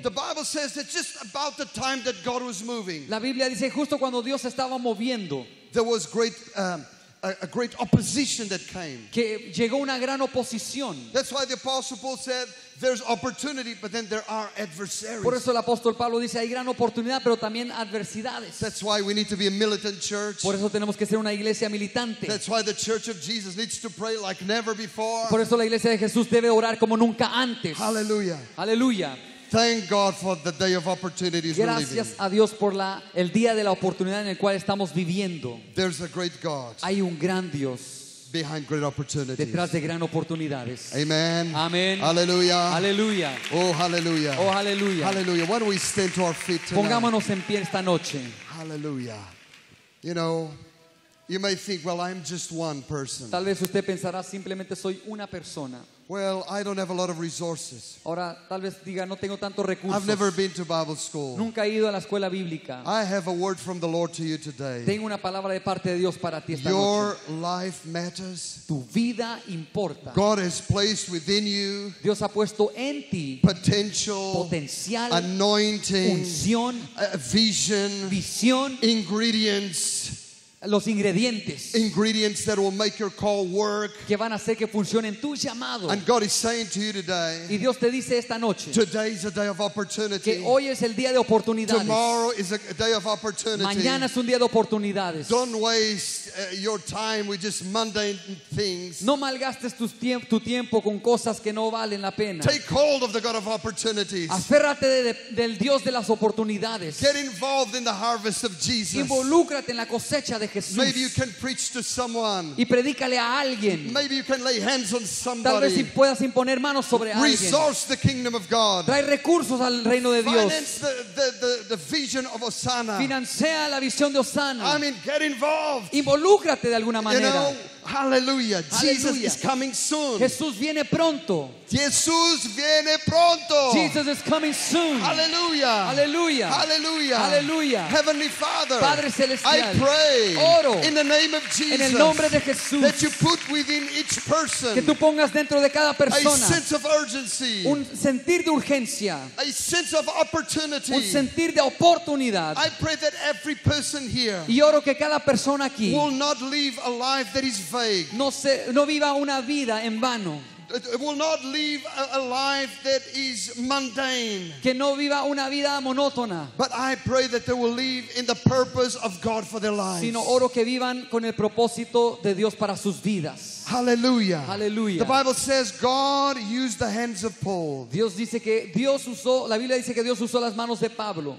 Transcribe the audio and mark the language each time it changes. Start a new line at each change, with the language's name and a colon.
English: The Bible says it's just about the time that God was moving.
Spanish: La Biblia dice justo cuando Dios estaba moviendo.
English: There was great a great opposition that came.
Spanish: Que llegó una gran oposición.
English: That's why the apostle Paul said there's opportunity, but then there are adversaries.
Spanish: Por eso el apóstol Pablo dice hay gran oportunidad, pero también adversidades.
English: That's why we need to be a militant church.
Spanish: Por eso tenemos que ser una iglesia militante.
English: That's why the church of Jesus needs to pray like never before.
Spanish: Por eso la iglesia de Jesús debe orar como nunca antes. Hallelujah. Hallelujah.
English: Thank God for the day of opportunities.
Spanish: Gracias a Dios por el día de la oportunidad en el cual estamos viviendo.
English: There's a great God.
Spanish: Hay un gran Dios.
English: Behind great opportunities.
Spanish: Detrás de gran oportunidades. Amen. Amen. Hallelujah. Hallelujah. Oh, hallelujah. Oh, hallelujah. Hallelujah.
English: Why don't we stand to our feet tonight?
Spanish: Pongámonos en pie esta noche. Hallelujah.
English: You know, you may think, well, I'm just one person.
Spanish: Tal vez usted pensará simplemente soy una persona.
English: Well, I don't have a lot of resources.
Spanish: Ahora, tal vez diga, no tengo tanto recursos.
English: I've never been to Bible school.
Spanish: Nunca he ido a la escuela bíblica.
English: I have a word from the Lord to you today.
Spanish: Tengo una palabra de parte de Dios para ti esta noche.
English: Your life matters.
Spanish: Tu vida importa.
English: God has placed within you.
Spanish: Dios ha puesto en ti
English: potential.
Spanish: Potencial.
English: Anointing.
Spanish: Unción.
English: Vision.
Spanish: Visión.
English: Ingredients.
Spanish: Los ingredientes.
English: Ingredients that will make your call work.
Spanish: Que van a hacer que funcionen tus llamados.
English: And God is saying to you today.
Spanish: Y Dios te dice esta noche.
English: Today is a day of opportunity.
Spanish: Que hoy es el día de oportunidades.
English: Tomorrow is a day of opportunity.
Spanish: Mañana es un día de oportunidades.
English: Don't waste your time with just mundane things.
Spanish: No malgastes tu tiempo con cosas que no valen la pena.
English: Take hold of the God of opportunities.
Spanish: Aférrate del Dios de las oportunidades.
English: Get involved in the harvest of Jesus.
Spanish: Involúcrate en la cosecha.
English: Maybe you can preach to someone.
Spanish: Y predícale a alguien.
English: Maybe you can lay hands on somebody.
Spanish: Tal vez si puedas imponer manos sobre alguien.
English: Resource the kingdom of God.
Spanish: Trae recursos al reino de Dios.
English: Finance the vision of Osana.
Spanish: Financia la visión de Osana.
English: I mean, get involved.
Spanish: Involúcrate de alguna manera.
English: You know, hallelujah. Jesus is coming soon.
Spanish: Jesús viene pronto. Jesús viene pronto.
English: Jesus is coming soon. Hallelujah. Hallelujah. Hallelujah. Hallelujah. Heavenly Father.
Spanish: Padre celestial.
English: I pray.
Spanish: Oro.
English: In the name of Jesus.
Spanish: En el nombre de Jesús.
English: That you put within each person.
Spanish: Que tú pongas dentro de cada persona.
English: A sense of urgency.
Spanish: Un sentir de urgencia.
English: A sense of opportunity.
Spanish: Un sentir de oportunidad.
English: I pray that every person here.
Spanish: Y oro que cada persona aquí.
English: Will not live a life that is vague.
Spanish: No viva una vida en vano.
English: It will not live a life that is mundane.
Spanish: Que no viva una vida monótona.
English: But I pray that they will live in the purpose of God for their lives.
Spanish: Sino oro que vivan con el propósito de Dios para sus vidas. Hallelujah. Hallelujah.
English: The Bible says God used the hands of Paul.
Spanish: Dios dice que Dios usó, la Biblia dice que Dios usó las manos de Pablo.